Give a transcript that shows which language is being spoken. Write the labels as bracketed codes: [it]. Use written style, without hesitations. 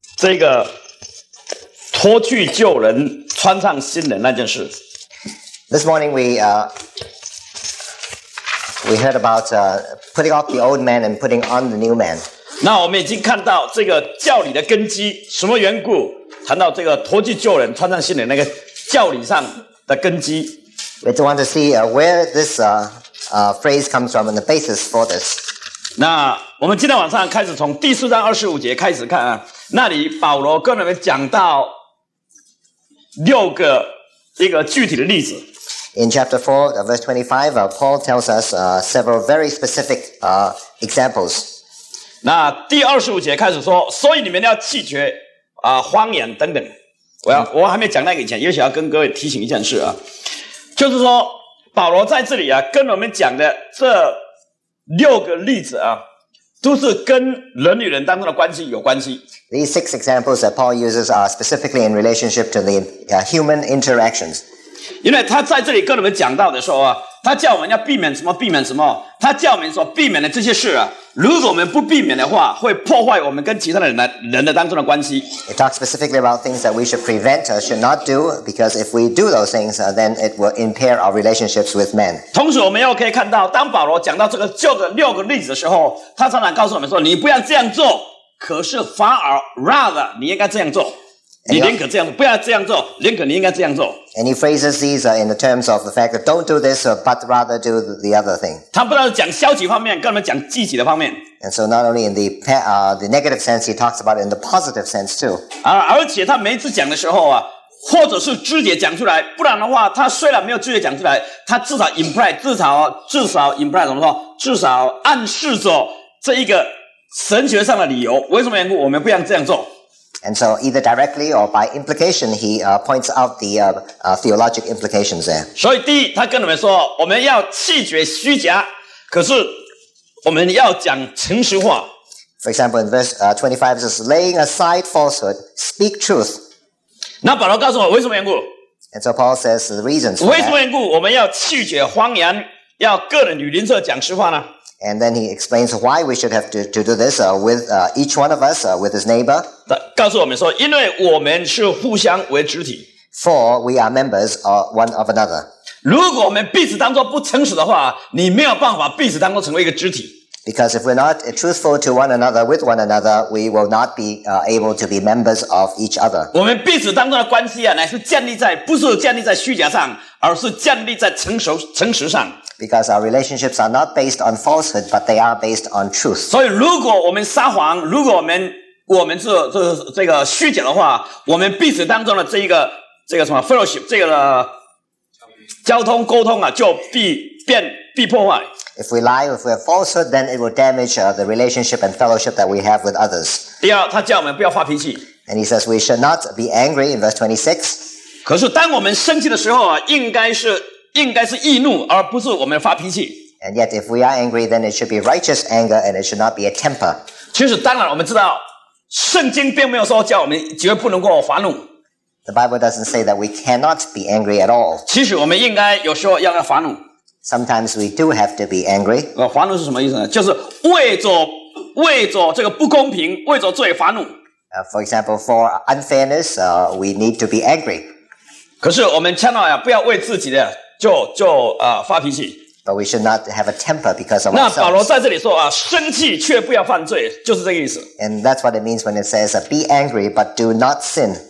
[zh] 这个脱去旧人穿上新人那件事。 [en] This morning we heard about putting off the old man and putting on the new man. [zh] 那我们已经看到这个教理的根基，什么缘故谈到这个脱去旧人穿上新人那个教理上的根基。 [en] We just want to see where this phrase comes from and the basis for this. [zh] 那我们今天晚上开始从第四章二十五节开始看啊，那里保罗跟我们讲到六个一个具体的例子。 [en] In chapter 4, verse 25, Paul tells us several very specific examples. [zh] 那第二十五节开始说，所以你们要弃绝荒言等等。我还没讲那个以前，也许要跟各位提醒一件事啊，就是说保罗在这里啊跟我们讲的这六个例子啊，都是跟人与人当中的关系有关系。 [en] These six examples that Paul uses are specifically in relationship to the human interactions. [zh] 因为他在这里跟我们讲到的时候啊，他叫我们要避免什么，避免什么。他叫我们说，避免的这些事啊，如果我们不避免的话，会破坏我们跟其他的人的当中的关系。 [en] It talks specifically about things that we should prevent or should not do, because if we do those things, then it will impair our relationships with men. [zh] 同时，我们又可以看到，当保罗讲到这个旧的六个例子的时候，他常常告诉我们说，你不要这样做。可是反而 rather 你应该这样做，你宁可这样，不要这样做，宁可你应该这样做。 [en] And he phrases these in the terms of the fact that don't do this, but rather do the other thing. [zh] 他不但讲消极方面，跟我们讲积极的方面。 [en] And so not only in the negative sense, he talks about it in the positive sense too. [zh] 而且他每一次讲的时候啊，或者是直接讲出来，不然的话，他虽然没有直接讲出来，他至少 imply， 至少 imply 怎么说？至少暗示着这一个。神学上的理由，为什么缘故我们不想这样做 [en] ？And so either directly or by implication, he points out the theological implications there. [zh] 所以第一，他跟我们说，我们要弃绝虚假，可是我们要讲诚实话。 [en] For example, in verse 25 says, "Laying aside falsehood, speak truth." [zh] 那保罗告诉我为什么缘故 [en] ？And so Paul says the reasons. [zh] 为什么缘故我们要弃绝谎言，要个人与邻舍讲实话呢？ [en] And then he explains why we should have to do this with each one of us, with his neighbor. [zh] 告诉我们说，因为我们是互相为肢体。 [en] For we are members of one of another. [zh] 如果我们彼此当作不诚实的话，你没有办法彼此当作成为一个肢体。 [en] Because if we're not truthful to one another, with one another, we will not be able to be members of each other. [zh] 我们彼此当中的关系啊，乃是建立在不是建立在虚假上，而是建立在诚实上。 [en] Because our relationships are not based on falsehood, but they are based on truth. [zh] 所以，如果我们撒谎，如果我们是这个虚假的话，我们彼此当中的这个什么 fellowship， 这个交通沟通啊，就必破坏。 [en] If we lie, if we have falsehood, then it will damage the relationship and fellowship that we have with others. [zh] 第二，他叫我们不要发脾气。 [en] And he says we should not be angry in verse 26. [zh] 可是，当我们生气的时候啊，应该是易怒，而不是我们发脾气。 [en] And yet, if we are angry, then it should be righteous anger, and it should not be a temper. [zh] 其实，当然我们知道，圣经并没有说叫我们绝不能够发怒。 [en] The Bible doesn't say that we cannot be angry at all. [zh] 其实，我们应该有时候要发怒。 [en] Sometimes we do have to be angry. [zh] 发怒是什么意思呢？就是为着这个不公平，为着罪发怒。 [en] For example, for unfairness, we need to be angry. [zh] 可是我们千万不要为自己的就发脾气。 [en] But we should not have a temper because of ourselves. [zh] 那保罗在这里说啊，生气却不要犯罪，就是这个意思。 [en] And that's what it means when it says be angry but do not sin.